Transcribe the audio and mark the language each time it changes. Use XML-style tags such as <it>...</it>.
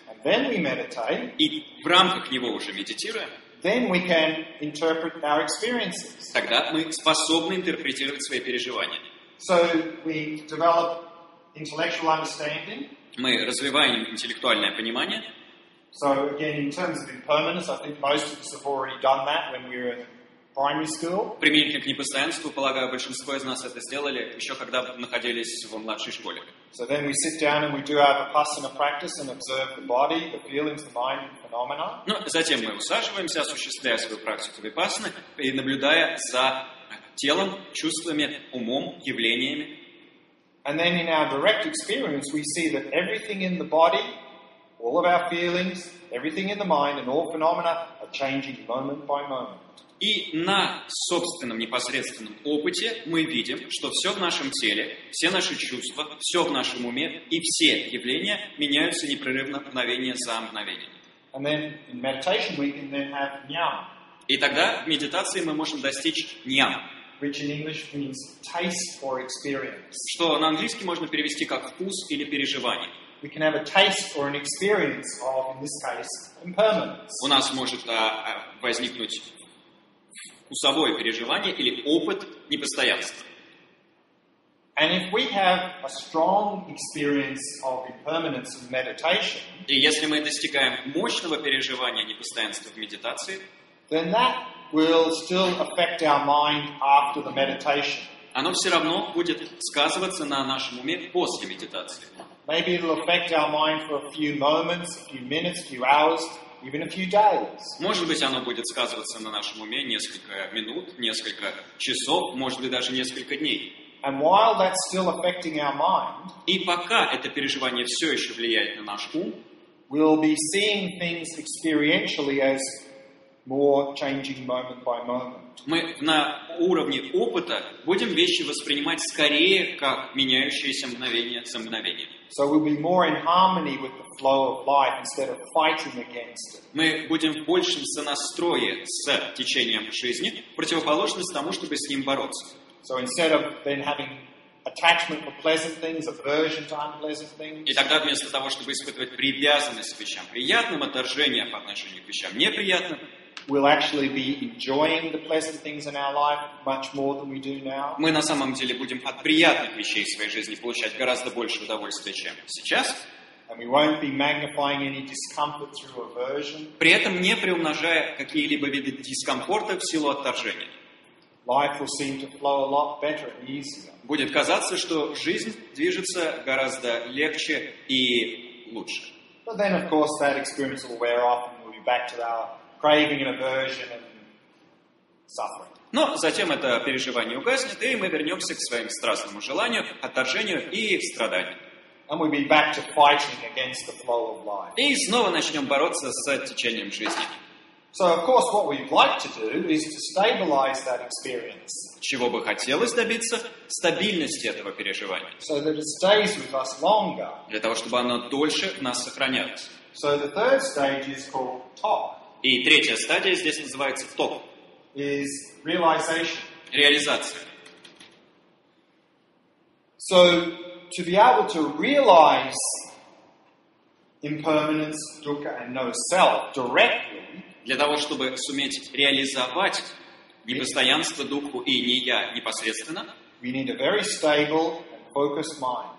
<en>and then we meditate,</en> <ru>и в рамках него уже медитируем,</ru> <en>then we can interpret our experiences.</en> <ru>Тогда мы способны интерпретировать свои переживания.</ru> <en>So we develop intellectual understanding.</en> <ru>Мы развиваем интеллектуальное понимание.</ru> <en>So again, in terms of impermanence, I think most of us have already done that when we were primary school.</en> <ru>Применительно к непостоянству, полагаю, большинство из нас это сделали еще когда находились в младшей школе.</ru> <en>So then we sit down and we do our Vipassana practice and observe the body, the feelings, the mind, and phenomena.</en> <ru>Ну, затем мы усаживаемся, осуществляя свою практику Vipassana и наблюдая за телом, чувствами, умом, явлениями.</ru> <en>And then in our direct experience, we see that everything in the body, all of our feelings, everything in the mind, and all phenomena are changing moment by moment.</en> <ru>И на собственном непосредственном опыте мы видим, что все в нашем теле, все наши чувства, все в нашем уме и все явления меняются непрерывно мгновение за мгновением. И тогда в медитации мы можем достичь ням, что на английский можно перевести как вкус или переживание.</ru> <en>We can have a taste or an experience of, in this case, impermanence.</en> <ru>У нас может возникнуть вкусовое переживание или опыт непостоянства.</ru> <en>And if we have a strong experience of impermanence in meditation,</en> <ru>и если мы достигаем мощного переживания непостоянства в медитации,</ru> <en>then that will still affect our mind after the meditation.</en> <ru>Оно все равно будет сказываться на нашем уме после медитации.</ru> <en>Maybe it'll affect our mind for a few moments, a few minutes, a few hours. Even a few days.</en> <ru>Может быть, оно будет сказываться на нашем уме несколько минут, несколько часов, может быть, даже несколько дней.</ru> <en>And while that's still affecting our mind,</en> <ru>и пока это переживание все еще влияет на наш ум,</ru> <en>we'll be seeing things experientially as more changing moment by moment.</en> <ru>Мы на уровне опыта будем вещи воспринимать скорее как меняющиеся мгновение за мгновением.</ru> <en>So we'll be more in harmony with the flow of life instead of fighting against it.</en> <ru>Мы будем в большем сонастрое с течением жизни, противоположность тому, чтобы с ним бороться.</ru> <en>So instead of then having attachment for pleasant things, aversion to unpleasant things.</en> <ru>И тогда вместо того, чтобы испытывать привязанность к вещам приятным, отторжение по отношению к вещам неприятным,</ru> <en>we'll actually be enjoying the pleasant things in our life much more than we do now.</en> <ru>Мы на самом деле будем от приятных вещей в своей жизни получать гораздо больше удовольствия, чем сейчас.</ru> <en>And we won't be magnifying any discomfort through aversion.</en> <ru>При этом не приумножая какие-либо виды дискомфорта в силу отторжения.</ru> <en>Life will seem to flow a lot better and easier.</en> <ru>Будет казаться, что жизнь движется гораздо легче и лучше.</ru> <en>But then, of course, that experience will wear off and we'll be back to our craving and aversion and suffering.</en> <ru>Но затем это переживание угаснет, и мы вернемся к своим страстному желанию, отторжению и страданию.</ru> <en>And we'll be back to fighting against the flow of life.</en> <ru>И снова начнем бороться с течением жизни.</ru> <en>So, of course, what we'd like to do is to stabilize that experience.</en> <ru>Чего бы хотелось добиться? Стабильности этого переживания.</ru> <en>So that it stays with us longer.</en> <ru>Для того, чтобы оно дольше в нас сохранялось.</ru> <en>So the third stage is called talk.</en> <ru>И третья стадия здесь называется ток.</ru> <en>Is realization.</en> <ru>Реализация.</ru> <en>So, to be able to realize impermanence, dukkha, and no self directly,</en> <ru>для того, чтобы суметь реализовать непостоянство, дукху и не я непосредственно,</ru> <en>we need a very stable and focused mind.</en>